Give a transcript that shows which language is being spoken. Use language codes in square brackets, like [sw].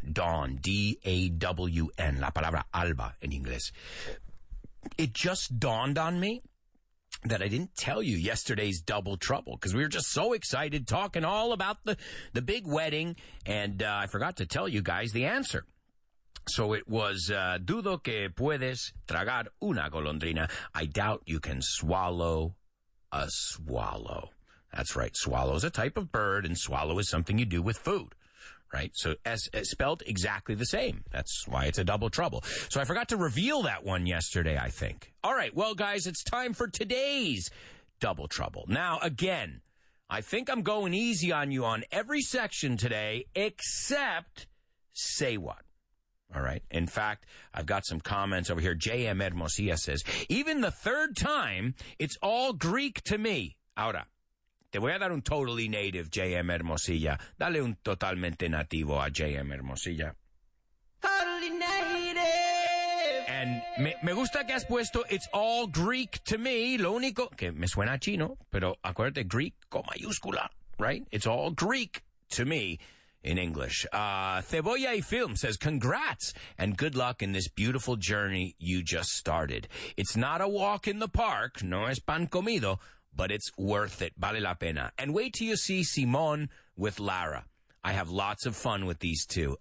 [es] Dawn, D-A-W-N, la palabra alba en inglés. [en] It just dawned on me that I didn't tell you yesterday's Double Trouble, because we were just so excited talking all about the big wedding, and I forgot to tell you guys the answer. So it was, [es] dudo que puedes tragar una golondrina. [en] I doubt you can swallow a swallow. That's right. Swallow is a type of bird, and swallow is something you do with food, right? So S spelled exactly the same. That's why it's a double trouble. So I forgot to reveal that one yesterday, I think. All right. Well, guys, it's time for today's double trouble. Now, again, I think I'm going easy on you on every section today except say what. All right. In fact, I've got some comments over here. J.M. Hermosilla says, even the third time, it's all Greek to me. [es] Ahora, te voy a dar un [en] totally native, [es] J.M. Hermosilla. Dale un totalmente nativo a J.M. Hermosilla. [en] Totally native. And [es] me gusta que has puesto, [en] it's all Greek to me. [es] Lo único que me suena a chino, pero acuérdate, Greek con mayúscula, right? [en] It's all Greek to me. In English, Cebolla y Film says, congrats and good luck in this beautiful journey you just started. It's not a walk in the park, [es] no es pan comido, [en] but it's worth it. [es] Vale la pena. [en] And wait till you see Simon with Lara. I have lots of fun with these two.